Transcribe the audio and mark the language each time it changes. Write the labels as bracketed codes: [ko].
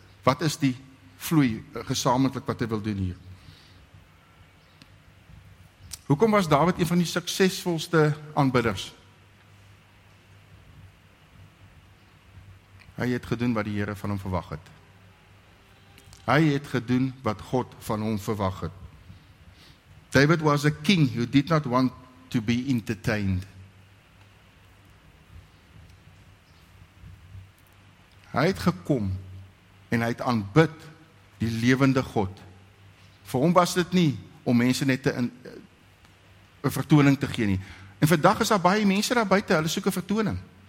[af] Wat is die vloei gesamentlik wat hy wil doen hier? Hoekom was Dawid een van die suksesvolste aanbidders? Hy het gedoen wat die Here van hom verwag het. Hy het gedoen wat God van hom verwag het. [en] David was a king who did not want to be entertained. [af] Hy het gekom en hy het aanbid die lewende God. Vir hom was dit nie om mense net te 'n vertoning te gee nie. En vandag is daar baie mense daar buite, hulle soek 'n vertoning.